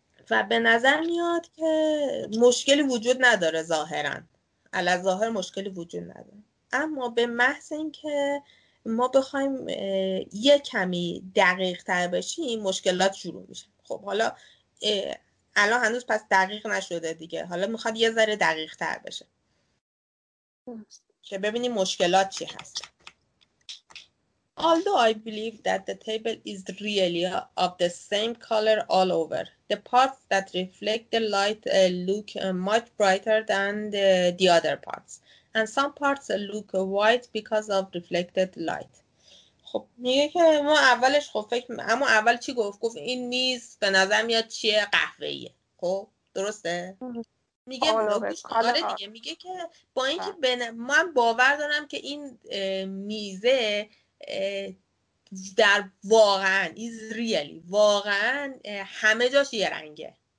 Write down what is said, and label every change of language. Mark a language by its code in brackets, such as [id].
[fa] و به نظر میاد که مشکلی وجود نداره، ظاهرن علی ظاهر مشکلی وجود نداره، اما به محض اینکه ما بخوایم یه کمی دقیق تر بشیم مشکلات شروع میشه. خب حالا الان هنوز پس دقیق نشده دیگه، حالا میخواد یه ذره دقیق تر بشه که ببینیم مشکلات چی هست. [en] Although I believe that the table is really of the same color all over, the parts that reflect the light look much brighter than the other parts. And some parts look white because of reflected light. [fa] خب میگه که ما اولش خب فکر اما اول چی گفت؟ گفت این میز به نظر میاد چیه؟ قهوه‌ایه. خب درسته؟ میگه آره دیگه، میگه که با اینکه من باور دارم که این میزه در واقعا [en] is really [fa] واقعا همه جاش یه رنگه.